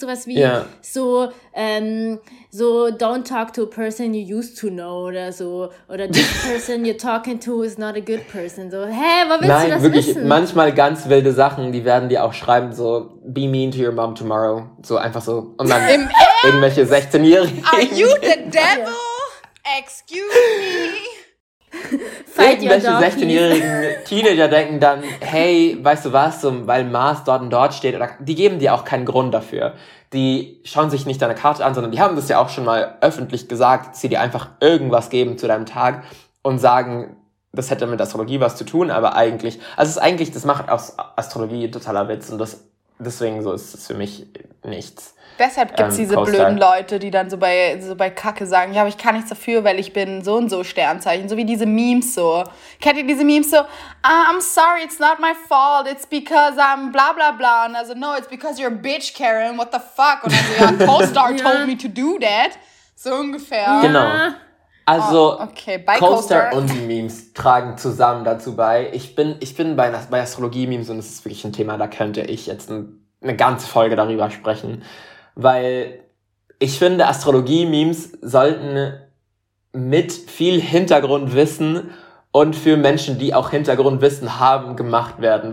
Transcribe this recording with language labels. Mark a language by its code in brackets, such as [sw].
[de] Sowas wie so [en] don't talk to a person you used to know [de] oder so. Oder [en] this person you're talking to is not a good person. [de] So, hä, was willst du das wissen? Nein, wirklich, manchmal ganz wilde Sachen, die werden dir auch schreiben, so [en] be mean to your mom tomorrow. [de] So einfach so. Und dann irgendwelche 16-Jährigen. [en] Are you the devil? Excuse me. [de] Irgendwelche 16-jährigen Teenager denken dann, hey, weißt du was, so, weil Mars dort und dort steht, oder die geben dir auch keinen Grund dafür. Die schauen sich nicht deine Karte an, sondern die haben das ja auch schon mal öffentlich gesagt, dass sie dir einfach irgendwas geben zu deinem Tag und sagen, das hätte mit Astrologie was zu tun, aber eigentlich, also es ist eigentlich, das macht aus Astrologie totaler Witz und das deswegen so ist es für mich nichts. Deshalb gibt es diese blöden Leute, die dann so bei Kacke sagen, ja, aber ich kann nichts dafür, weil ich bin so und so Sternzeichen. So wie diese Memes so. Kennt ihr diese Memes so? [en] I'm sorry, it's not my fault. It's because I'm bla bla bla. [de] Und also, [en] no, it's because you're a bitch, Karen. What the fuck? [de] Und also, ja, [en] CoStar told me to do that. [de] So ungefähr. Ja. Genau. Also, CoStar und die Memes tragen zusammen dazu bei. Ich bin bei Astrologie-Memes und es ist wirklich ein Thema, da könnte ich jetzt eine ganze Folge darüber sprechen. Weil ich finde, Astrologie-Memes sollten mit viel Hintergrundwissen und für Menschen, die auch Hintergrundwissen haben, gemacht werden.